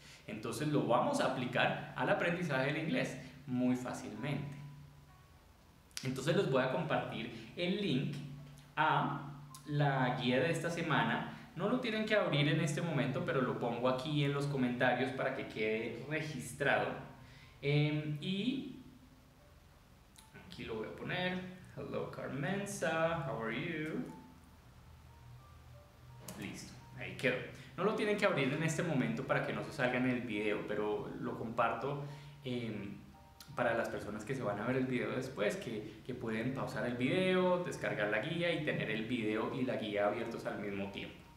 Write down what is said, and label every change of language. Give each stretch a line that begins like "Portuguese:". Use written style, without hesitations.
Spanish: Entonces lo vamos a aplicar al aprendizaje del inglés muy fácilmente. Entonces les voy a compartir el link a la guía de esta semana. No lo tienen que abrir en este momento, pero lo pongo aquí en los comentarios para que quede registrado. Y aquí lo voy a poner.
English: Hello Carmenza, how are you?
Spanish: Listo, ahí quedó. No lo tienen que abrir en este momento para que no se salga en el video, pero lo comparto para las personas que se van a ver el video después, que pueden pausar el video, descargar la guía y tener el video y la guía abiertos al mismo tiempo.